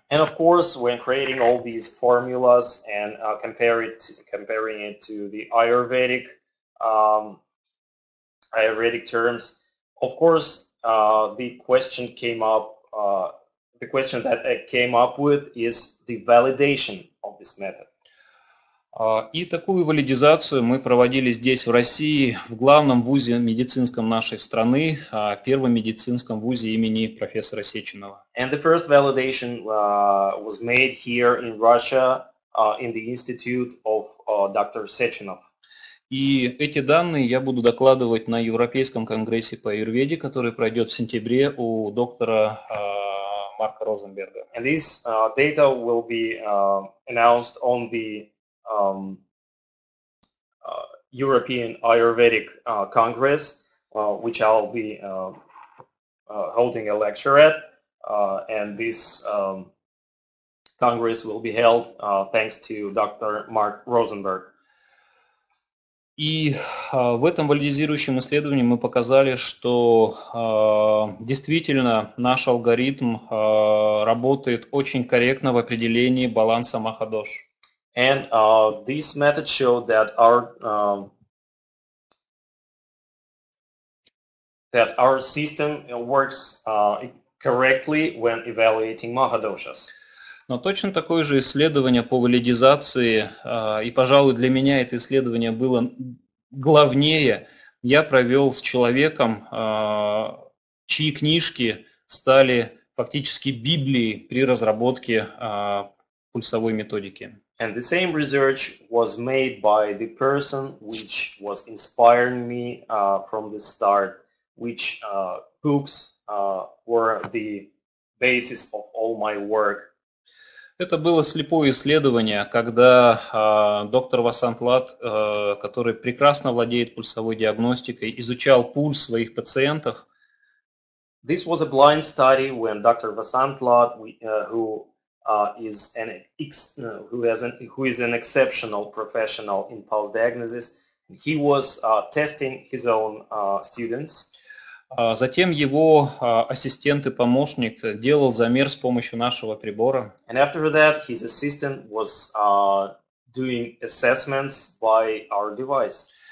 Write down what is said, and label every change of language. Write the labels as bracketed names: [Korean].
[English] And of course, when creating all these formulas and comparing it to the Ayurvedic terms, of course, the question that I came up with is the validation of this method. [Russian] И такую валидизацию мы проводили здесь, в России, в главном вузе медицинском нашей страны, первом медицинском вузе имени профессора Сеченова. [English] And the first validation was made here in Russia, in the institute of Dr. Sechenov. [Russian] И эти данные я буду докладывать на Европейском конгрессе по аюрведе, который пройдет в сентябре у доктора Марка Розенберга. [English] And this data will be announced on the European Ayurvedic Congress, which I'll be holding a lecture at, and this Congress will be held thanks to Dr. Mark Rosenberg. [Russian] И в этом валидизирующем исследовании мы показали, что действительно наш алгоритм работает очень корректно в определении баланса Махадош. [English] And this method showed that our system works correctly when evaluating Mahadoshas. [Russian] Но точно такое же исследование по валидизации, и, пожалуй, для меня это исследование было главнее, я провел с человеком, чьи книжки стали фактически Библией при разработке пульсовой методики. [English] And the same research was made by the person which was inspiring me from the start, which books were the basis of all my work. [Russian] Это было слепое исследование, когда доктор Васант Лат, который прекрасно владеет пульсовой диагностикой, изучал пульс своих пациентов. [English] This was a blind study when Dr. Vasant Lat, who is an exceptional professional in pulse diagnosis. He was testing his own students. [Russian] Затем его ассистент и помощник делал замер с помощью нашего прибора. [English] And after that, his assistant was doing assessments by our device.